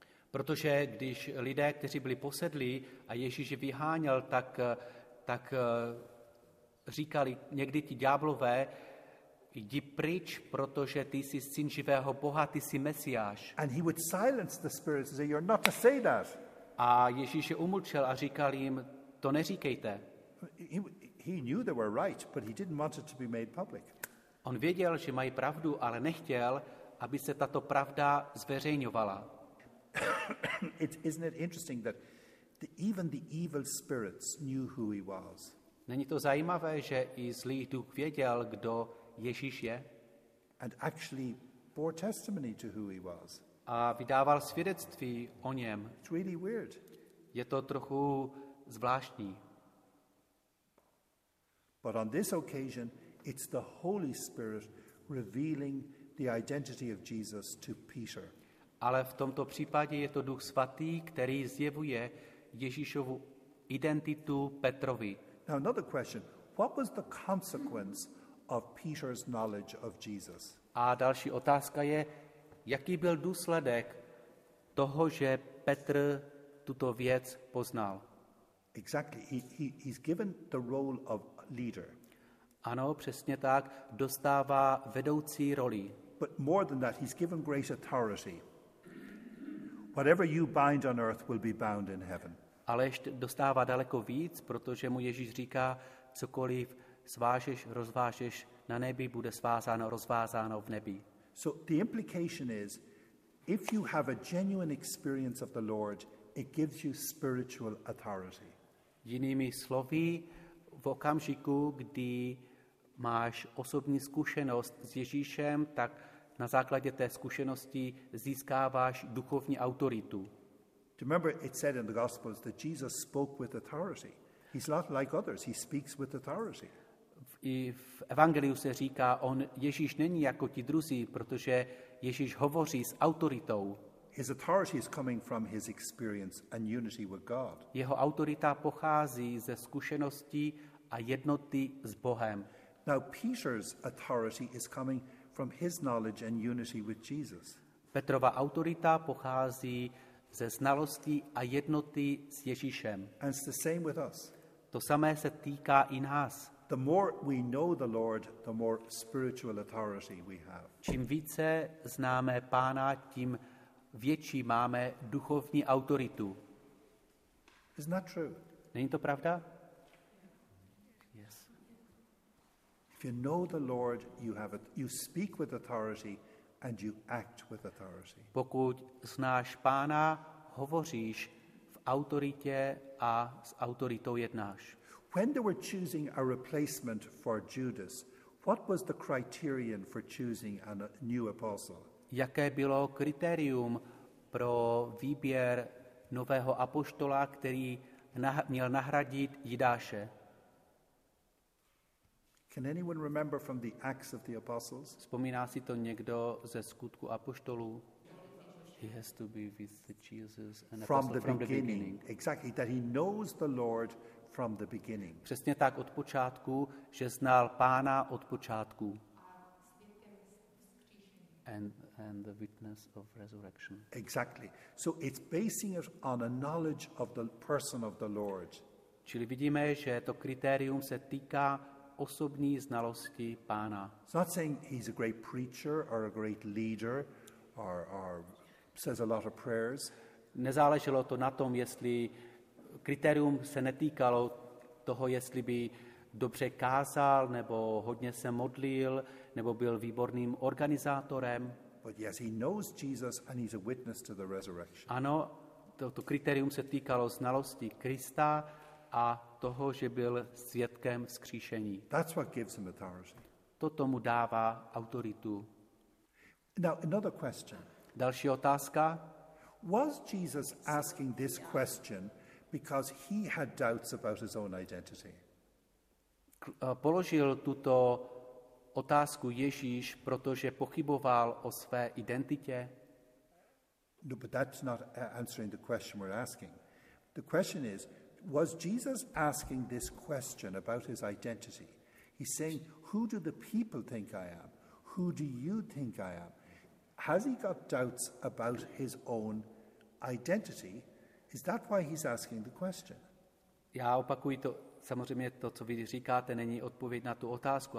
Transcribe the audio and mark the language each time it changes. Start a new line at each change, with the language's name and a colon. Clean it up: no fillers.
Czech: Protože když lidé, kteří byli posedlí a Ježíš je vyháněl, tak říkali někdy ti ďáblové, jdi pryč, protože ty jsi syn živého Boha, ty jsi Mesiáš.
English: And he would silence the spirits and say, you're not to say that.
Czech: A Ježíš je umlčel a říkal jim, to neříkejte.
English: He knew they were right, but he didn't want it to be made public.
Czech: On věděl, že mají pravdu, ale nechtěl, aby se tato pravda zveřejňovala.
English: Isn't it interesting that even the evil spirits knew who he was?
Czech: Není to zajímavé, že i zlý duch věděl, kdo Ježíš je?
English: And actually bore testimony to who he was.
Czech: A vydával svědectví o něm.
English: It's really weird.
Czech: Je to trochu zvláštní.
English: But on this occasion, it's the Holy Spirit revealing the identity of Jesus to Peter.
Czech: Ale v tomto případě je to Duch svatý, který zjevuje Ježíšovu identitu Petrovi.
English: Now another question. What was the consequence of Peter's knowledge of Jesus?
Czech: A další otázka je, jaký byl důsledek toho, že Petr tuto věc poznal?
English: Exactly. He's given the role of leader.
Czech: Ano, přesně tak, dostává vedoucí roli.
English: But more than that, he's given great authority. Whatever you bind on earth will be bound in heaven.
Czech: Ale ještě dostává daleko víc, protože mu Ježíš říká, cokoliv svážeš, rozvážeš na nebi, bude svázáno, rozvázáno v nebi.
English: So the implication is, if you have a genuine experience of the Lord, it gives you spiritual authority.
Czech: Jinými slovy, v okamžiku, kdy máš osobní zkušenost s Ježíšem, tak na základě té zkušenosti získáváš duchovní autoritu.
English: Do you remember it said in the Gospels that Jesus spoke with authority? He's not like others, he speaks with authority.
Czech: I v Evangeliu se říká, on Ježíš není jako ti druzí, protože Ježíš hovoří s autoritou.
English: His authority is coming from his experience and unity with God.
Czech: Jeho autorita pochází ze zkušenosti a jednoty s Bohem.
English: Now Peter's authority is coming from his knowledge and unity with Jesus.
Czech: Petrova autorita pochází ze znalosti a jednoty s Ježíšem.
English: And it's the same with us.
Czech: To samé se týká i nás.
English: The more we know the Lord, the more spiritual authority we have.
Czech: Čím více známe Pána, tím větší máme duchovní autoritu.
English: Isn't that true?
Czech: Není to pravda?
English: Yes. If you know the Lord, you speak with authority and you act with authority.
Czech: Pokud znáš Pána, hovoříš v autoritě a s autoritou jednáš.
English: When they were choosing a replacement for Judas, what was the criterion for choosing a new apostle?
Czech: Jaké bylo kritérium pro výběr nového apoštola, který měl nahradit Jidáše?
English: Can anyone remember from the Acts of the Apostles?
Czech: Vzpomíná si to někdo ze skutku apoštolů?
English: He has to be with the Jesus and from the beginning. Exactly, that he knows the Lord from the beginning.
Czech: Přesně tak od počátku, že znal Pána od počátku.
English: And the witness of resurrection. Exactly. So it's basing it on a knowledge of the person of the Lord.
Czech: Čili vidíme, že to kritérium se týká osobní znalosti Pána.
English: It's not saying he's a great preacher or a great leader or says a lot of prayers.
Czech: Nezáleželo to na tom, jestli kritérium se netýkalo toho, jestli by dobře kázal nebo hodně se modlil nebo byl výborným organizátorem.
English: But yes, he knows Jesus and he's a witness to the resurrection.
Czech: Ano, toto kritérium se týkalo znalosti Krista a toho, že byl svědkem vzkříšení.
English: That's what gives him authority.
Czech: To tomu dává autoritu.
English: Now, another question.
Czech: Další otázka.
English: Was Jesus asking this question because he had doubts about his own identity.
Czech: Položil tuto otázku Ježíš, protože pochyboval o své identitě.
English: No, but that's not answering the question we're asking. The question is, was Jesus asking this question about his identity? He's saying, who do the people think I am? Who do you think I am? Has he got doubts about his own identity? Is that why he's asking the question?
Czech: Já opakuji to, samozřejmě to, co vy říkáte, není odpověď na tu otázku.